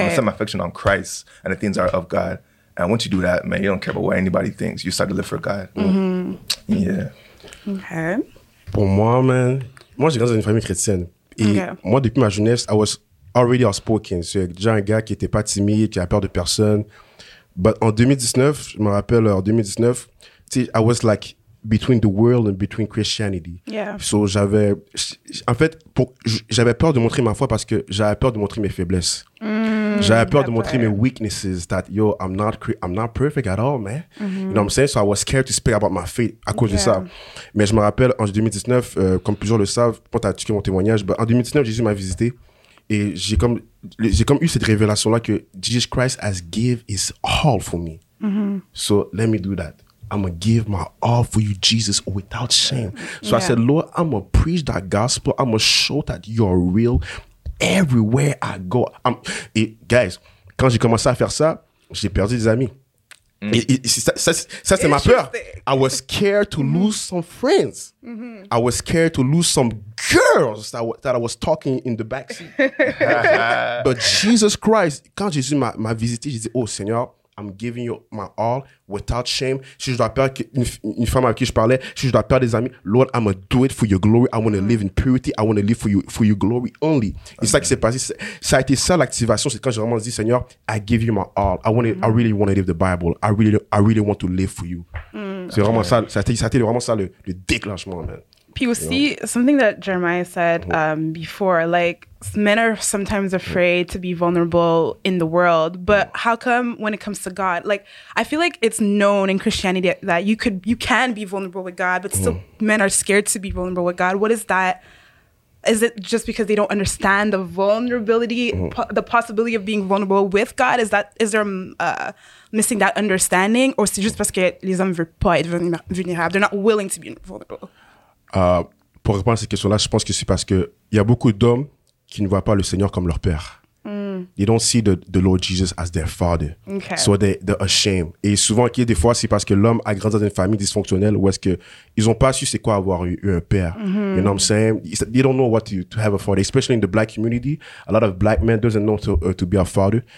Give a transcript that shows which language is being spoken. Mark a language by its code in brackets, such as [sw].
[en] I'm gonna set my affection on Christ and the things are of God. And once you do that, man, you don't care about what anybody thinks. You start to live for God. Mm-hmm. Yeah. Okay. [fr] Pour moi, man, moi, j'ai grandi dans une famille chrétienne. Et moi, depuis ma jeunesse, [en] I was already outspoken. [fr] J'ai déjà un gars qui n'était pas timide, qui a peur de personne. [en] But [fr] en 2019, je me rappelle, en 2019, [en] I was like between the world and between Christianity. Yeah. [fr] So j'avais peur de montrer ma foi parce que j'avais peur de montrer mes faiblesses. J'avais peur de montrer mes [en] weaknesses, that yo, I'm not perfect at all, man. Mm-hmm. You know what I'm saying? So I was scared to speak about my faith [fr] à cause de ça. Mais je me rappelle en 2019, comme plusieurs le savent, pour t'attirer mon témoignage, en 2019, Jésus m'a visité et j'ai comme eu cette révélation-là que [en] Jesus Christ has given his all for me. Mm-hmm. So let me do that. I'm going to give my all for you, Jesus, without shame. So I said, Lord, I'm going to preach that gospel. I'm going to show that you're real everywhere I go. [fr] Et guys, quand j'ai commencé à faire ça, j'ai perdu des amis. [en] Mm. [fr] Et ça c'est ma peur. [en] I was scared to lose some friends. Mm-hmm. I was scared to lose some girls that I was talking in the backseat. But Jesus Christ, [fr] quand Jésus m'a visité, j'ai dit, oh Seigneur, [en] I'm giving you my all without shame. [fr] Si je dois perdre une femme avec qui je parlais, si je dois perdre des amis, [en] Lord, I'm going to do it for your glory. I want to live in purity. I want to live for your glory only. Amen. [fr] Et ça qui s'est passé, ça a été ça l'activation. C'est quand j'ai vraiment dit, Seigneur, [en] I give you my all. I really want to live the Bible. I really want to live for you. Mm. [fr] C'est vraiment ça a été vraiment ça le déclenchement, man. Puis aussi, [en] you know? Something that Jeremiah said before, like, men are sometimes afraid to be vulnerable in the world, but how come when it comes to God, like, I feel like it's known in Christianity that you can be vulnerable with God, but still men are scared to be vulnerable with God. What is that? Is it just because they don't understand the vulnerability, the possibility of being vulnerable with God? Is that, is there missing that understanding? Or is it just because [fr] les hommes veulent pas être vulnérables? [en] They're not willing to be vulnerable. [fr] Pour répondre à cette question-là, je pense que c'est parce qu'il y a beaucoup d'hommes qui ne voient pas le Seigneur comme leur père. Mm. [en] They don't see the Lord Jesus as their father. Okay. So they're ashamed. [fr] Et souvent, okay, des fois, c'est parce que l'homme a grandi dans une famille dysfonctionnelle où est-ce qu'ils n'ont pas su c'est quoi avoir eu un père. Mm-hmm. [en] You know what I'm saying? They don't know what to have a father. Especially in the black community, a lot of black men doesn't know to be a father.